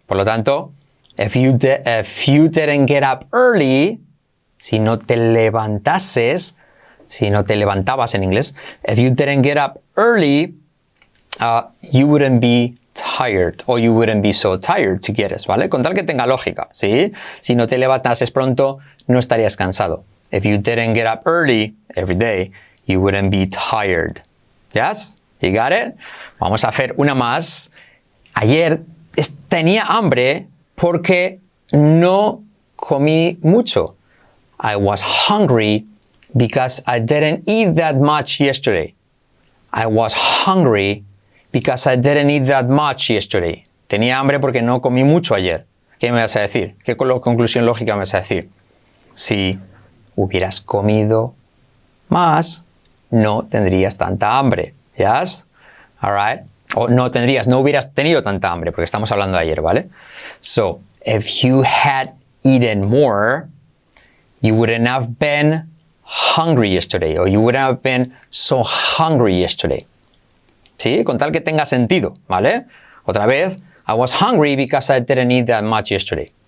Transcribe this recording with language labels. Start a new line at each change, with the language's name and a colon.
Spanish: Por lo tanto,
English: if you didn't get up early,
Spanish: si no te levantabas en inglés,
English: if you didn't get up early, you wouldn't be tired, or you wouldn't be so tired,
Spanish: si quieres, ¿vale? Con tal que tenga lógica, ¿sí? Si no te levantases pronto, no estarías cansado.
English: If you didn't get up early every day, you wouldn't be tired. Yes? You got it?
Spanish: Vamos a hacer una más. Ayer tenía hambre porque no comí mucho.
English: I was hungry because I didn't eat that much yesterday. I was hungry because I didn't eat that much yesterday.
Spanish: Tenía hambre porque no comí mucho ayer. ¿Qué me vas a decir? ¿Qué conclusión lógica me vas a decir? Si hubieras comido más, no tendrías tanta hambre.
English: ¿Yes? All right.
Spanish: O no tendrías, no hubieras tenido tanta hambre, porque estamos hablando de ayer, ¿vale?
English: So, if you had eaten more, you wouldn't have been hungry yesterday. Or you wouldn't have been so hungry yesterday. ¿Sí?
Spanish: Con tal que tenga sentido, ¿vale? Otra vez,
English: I was hungry because I didn't eat that much yesterday.